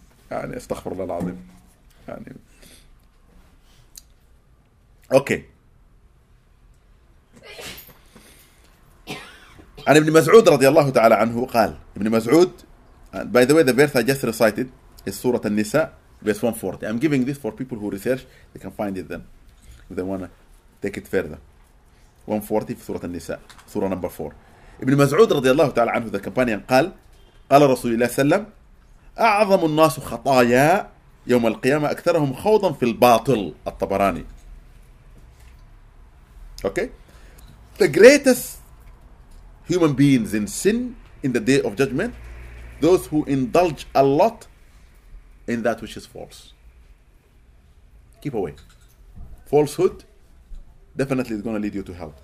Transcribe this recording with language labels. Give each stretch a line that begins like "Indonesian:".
Arabic: يعني استغفر الله العظيم. يعني
English: okay.
Arabic: عن ابن مسعود رضي الله تعالى عنه قال ابن مسعود.
English: By the way, the verse I just recited is Surah An-Nisa, verse 140. I'm giving this for people who research; they can find it then if they wanna take it further.
Arabic: 140 في سورة النساء, سورة
English: number 4.
Arabic: ابن مسعود رضي الله تعالى عنه
English: the companion
Arabic: قال قال رسول الله صلى الله عليه وسلم أعظم الناس خطايا يوم القيامة أكثرهم خوضا في الباطل. الطبراني.
English: Okay, the greatest human beings in sin in the day of judgment, those who indulge a lot in that which is false. Keep away. Falsehood definitely is going to lead you to hell.